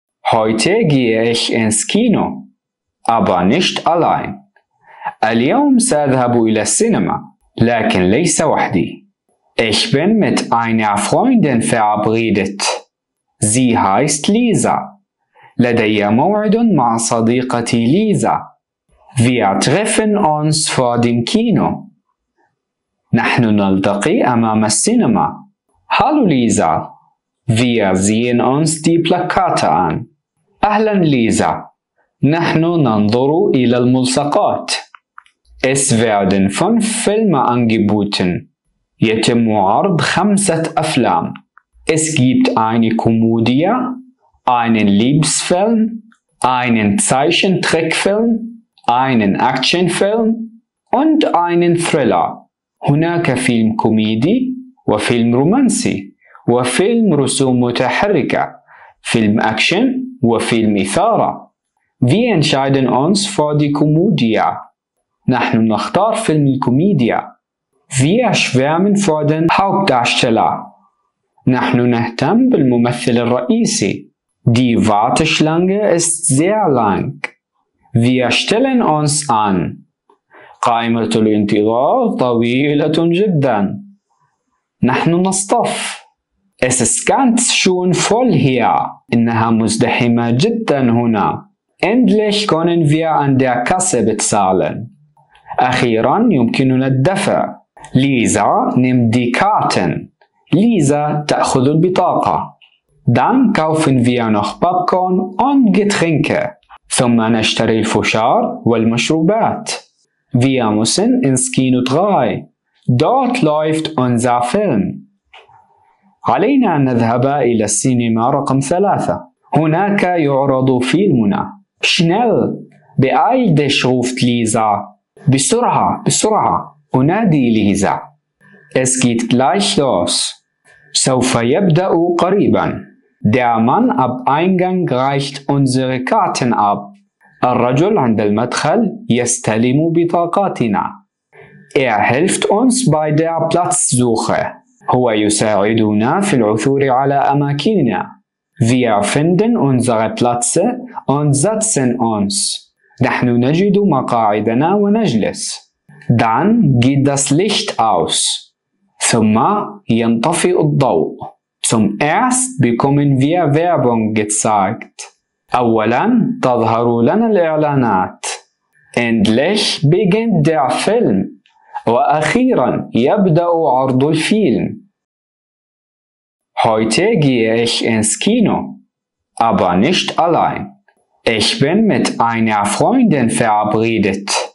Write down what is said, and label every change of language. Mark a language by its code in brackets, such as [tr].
[de] Heute gehe ich ins Kino, aber nicht allein. [ar] اليوم سأذهب إلى السينما، لكن ليس وحدي. [de] Ich bin mit einer Freundin verabredet. Sie heißt Lisa. [ar] لدي موعد مع صديقتي ليزا. [de] Wir treffen uns vor dem Kino. [ar] نحن نلتقي أمام السينما. [de] Hallo Lisa. Wir sehen uns die Plakate an. [ar] أهلا ليزا. نحن ننظر إلى الملصقات. [de] Es werden 5 Filme angeboten. [ar] يتم عرض 5 أفلام. [de] Es gibt eine Komödie, einen Liebesfilm, einen Zeichentrickfilm, einen Actionfilm und einen Thriller. [ar] هناك فيلم كوميدي وفيلم رومانسي وفيلم رسوم متحركة، فيلم أكشن وفيلم إثارة. [de] Wir entscheiden uns für die Komödie. [ar] نحن نختار فيلم الكوميديا. [de] Wir schwärmen für den Hauptdarsteller. [ar] نحن نهتم بالممثل الرئيسي. [de] Die Warteschlange ist sehr lang. Wir stellen uns an. [ar] قائمة الانتظار طويلة جدا. نحن نصطف. [de] Es ist ganz schön voll hier. [ar] إنها مزدحمة جدا هنا. [de] Endlich können wir an der Kasse bezahlen. [ar] أخيرا يمكننا الدفع. [de] ليزا nimmt die Karten. [ar] ليزا تأخذ البطاقة. [de] Dann kaufen wir noch Popcorn und Getränke. [ar] ثم نشتري الفشار والمشروبات. [de] Wir müssen ins Kino 3. Dort läuft unser Film. [ar] علينا أن نذهب إلى السينما رقم 3. هناك يعرض فيلمنا. [de] Schnell! Beeil dich, ruft Lisa. [ar] بسرعة بسرعة أنادي ليزا. [de] Es geht gleich los. [ar] سوف يبدأ قريبا. [de] Der Mann am Eingang reicht unsere Karten ab. [ar] الرجل عند المدخل يستلم بطاقاتنا. [de] Er hilft uns bei der Platzsuche. [ar] هو يساعدنا في العثور على أماكننا. [de] Wir finden unsere Plätze und setzen uns. [ar] نحن نجد مقاعدنا ونجلس. [de] Dann geht das Licht aus. [ar] ثم ينطفئ الضوء. [de] Zum Erst bekommen wir Werbung gezeigt. [ar] أولا تظهر لنا الإعلانات. [de] Endlich beginnt der Film. [ar] وأخيرا يبدأ عرض الفيلم. [de] Heute gehe ich ins Kino, aber nicht allein. Ich bin mit einer Freundin verabredet.